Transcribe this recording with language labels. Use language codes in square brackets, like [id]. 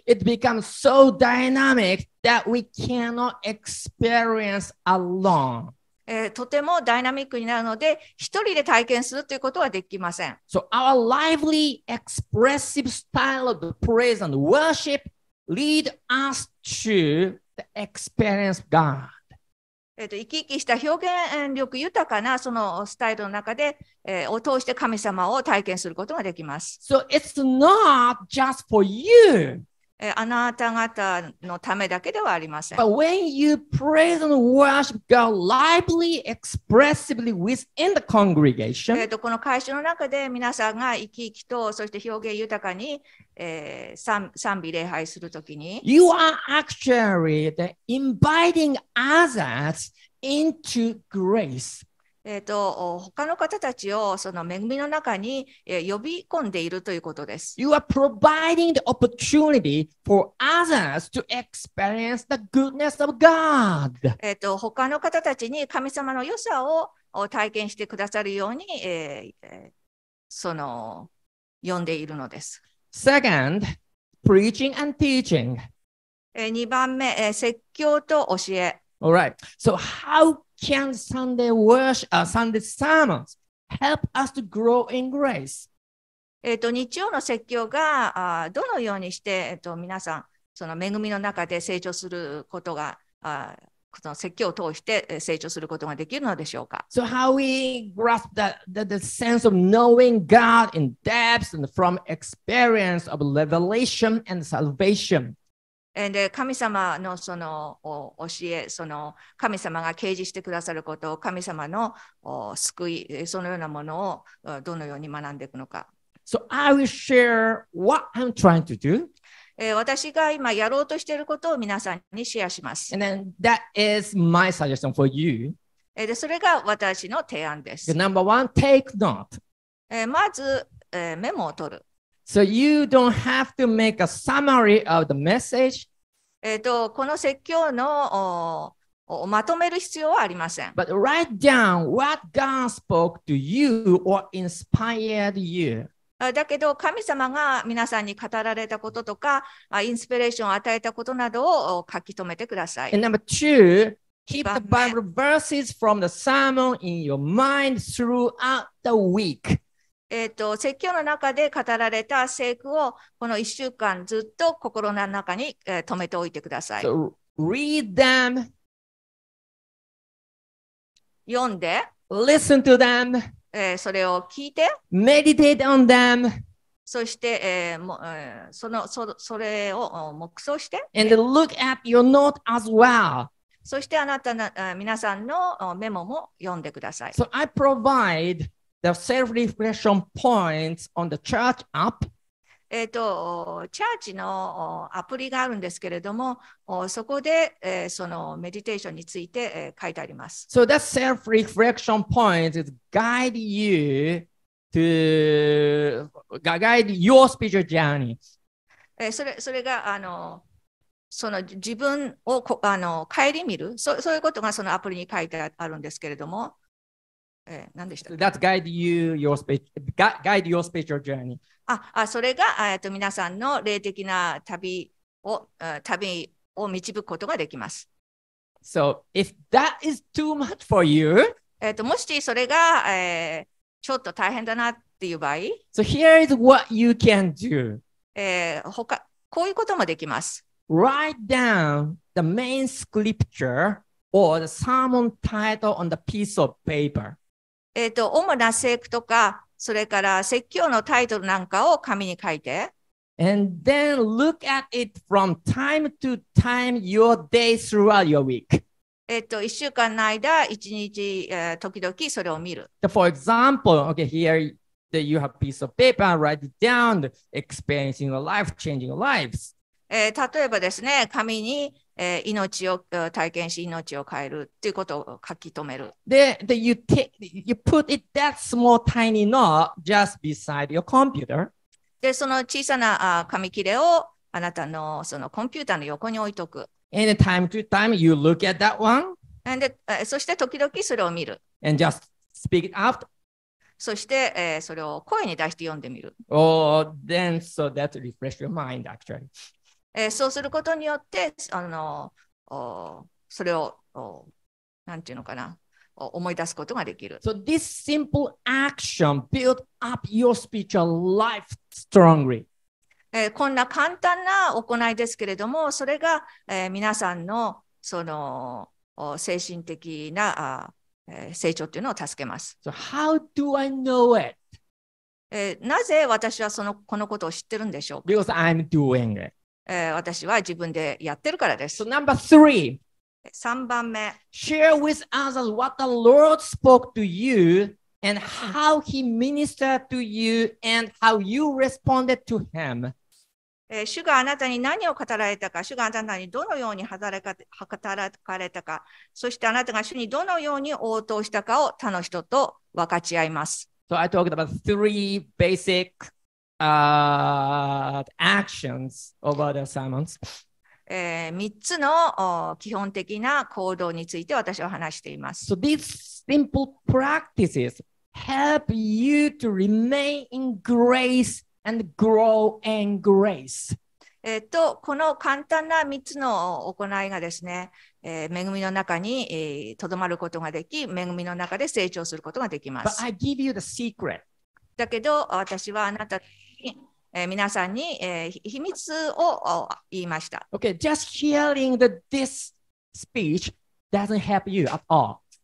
[en] it becomes so dynamic that we cannot experience alone. [ja] とてもダイナミックになるので、一人で体験するということはできません。 [en] So our lively, expressive style of praise and worship lead us to the experience of God. [ja] 生き生きした表現力豊かなそのスタイルの中で、を通して神様を体験することができます。 [en] So it's not just for you. [ja] あなた方のためだけではありません。 [en] But when you praise and worship God lively, expressively within the congregation, [ja] この会社の中で皆さんが生き生きとそして表現豊かに、賛美礼拝するときに、 [en] you are actually inviting others into grace. [ja] 他の方たちをその恵みの中に呼び込んでいるということです。 [en] You are providing the opportunity for others to experience the goodness of God. [ja] 他の方たちに神様の良さを体験してくださるように、その呼んでいるのです。 [en] Second, preaching and teaching. [ja] 2番目、説教と教え。 [en] All right. So how can Sunday worship, Sunday sermons help us to grow in grace? [ja] 日曜の説教がどのようにして皆さんその恵みの中で成長することがこの説教を通して成長することができるのでしょうか? [en] So how we grasp the sense of knowing God in depth and from experience of revelation and salvation. [ja] And 神様のその教え、その神様が啓示してくださることを、神様の救い、そのようなものをどのように学んでいくのか。 [en] So I will share what I'm trying to do. [ja] 私が今やろうとしていることを皆さんにシェアします。 [en] And then that is my suggestion for you. [ja] で、それが私の提案です。 [en] The number one, take note. [ja] まず、メモを取る。 [en] So you don't have to make a summary of the message. [ja] この説教のまとめる必要はありません。 [en] But write down what God spoke to you or inspired you. [ja] だけど神様が皆さんに語られたこととか、インスピレーションを与えたことなどを書き留めてください。 [en] And number two, keep the Bible verses from the sermon in your mind throughout the week. [ja] 説教の中で語られた聖句をこの1週間ずっと心の中に、留めておいてください。 [en] So, read them. [ja] 読んで。 [en] Listen to them. [ja] それを聞いて、 [en] meditate on them. [ja] そして、それを黙想して、 [en] and look at your note as well. [ja] そしてあなたの、皆さんのメモも読んでください。 [en] So I provide the self-reflection points on the church app. [ja] チャーチのアプリがあるんですけれども、そこで、そのメディテーションについて、書いてあります。 [en] So that self-reflection point is guide you to guide your spiritual journey. [ja] それがその自分を顧みる、そういうことがそのアプリに書いてあるんですけれども、何でしたっけ? [en] That's guide you your spiritual guide your spiritual journey. [ja] それが皆さんの霊的な旅を導くことができます。 [en] So, if that is too much for you, [ja] もしそれが、ちょっと大変だなっていう場合、 [en] So here is what you can do. [ja] 他、こういうこともできます。 [en] Write down the main scripture or the sermon title on the piece of paper. [ja] 主な聖句とか、それから説教のタイトルなんかを紙に書いて。 [en] And then look at it from time to time, your day throughout your week. [ja] 一週間の間、一日、時々それを見る。 [en] For example, okay, here you have a piece of paper, write it down, experiencing your life, changing your lives. [ja] 例えばですね、紙に、命を体験し命を変えるっていうことを書き留める。 [en] で、you put it that small tiny note just beside your computer. [ja] で、その小さな紙切れをあなたのそのコンピューターの横に置いとく。 [en] And time to time you look at that one. [ja] And そして時々それを見る。 [en] And just speak it out. [ja] そして、それを声に出して読んでみる。 [en] Oh, then so that refresh your mind actually. [ja] そうすることによって、それを、なんていうのかな、思い出すことができる。 [en] So this simple action built up your spiritual life strongly. [ja] こんな簡単な行いですけれども、それが、皆さんの、その、精神的な、成長っていうのを助けます。 [en] So how do I know it? [ja] なぜ私はその、このことを知ってるんでしょうか? [en] Because I'm doing it. [ja] 私は自分でやってるからです。 [en] So number three, [ja] 3番目。 [en] Share with others what the Lord spoke to you and how he ministered to you and how you responded to him. [ja] 主があなたに何を語られたか、主があなたにどのように働かれたか、そしてあなたが主にどのように応答したかを他の人と分かち合います。 [en] So I talked about three basicActions over the sermons. [ja] 三つの基本的な行動について私は話しています。 [en] So these simple practices help you to remain in grace and grow in grace. [ja] この簡単な三つの行いがですね、恵みの中に、留まることができ、恵みの中で成長することができます。 [en] But I give you the secret. [ja] だけど私はあなた皆さんに、秘密を言いました。 [en] Okay, just hearing this speech doesn't help you at all.